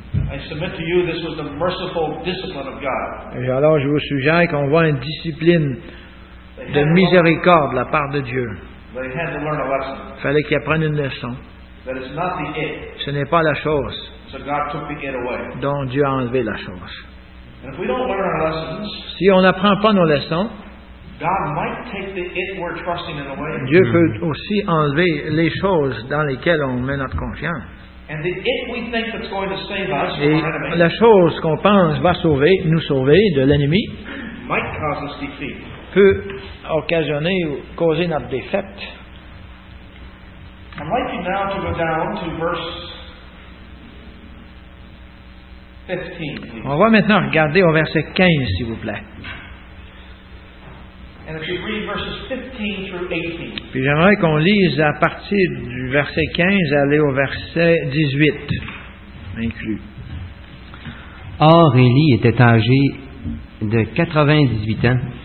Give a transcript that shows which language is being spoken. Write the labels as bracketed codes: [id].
[en] I submit to you this was the merciful discipline of God. [fr] Et alors je vous suggère qu'on voit une discipline de miséricorde de la part de Dieu. [en] They had to learn a lesson. [fr] Il fallait qu'ils apprennent une leçon. [en] That it's not the it. [fr] Ce n'est pas la chose. [en] So God took the it away. [fr] Donc Dieu a enlevé la chose. [en] And if we don't learn our lessons, [fr] si on n'apprend pas nos leçons, [en] God might take the it we're trusting in away. [fr] Dieu peut aussi enlever les choses dans lesquelles on met notre confiance. [en] And the it we think that's going to save us from [fr] et la chose qu'on pense va sauver, nous sauver de l'ennemi [en] might cause us defeat. [fr] Peut occasionner ou causer notre défaite. [en] I'd like you now to go down to verse 15, [fr] on va maintenant regarder au verset 15, s'il vous plaît. [en] And if you read verses 15 through 18. [fr] Puis j'aimerais qu'on lise à partir du verset 15 aller au verset 18 inclus. Or, Élie était âgé de 98 ans.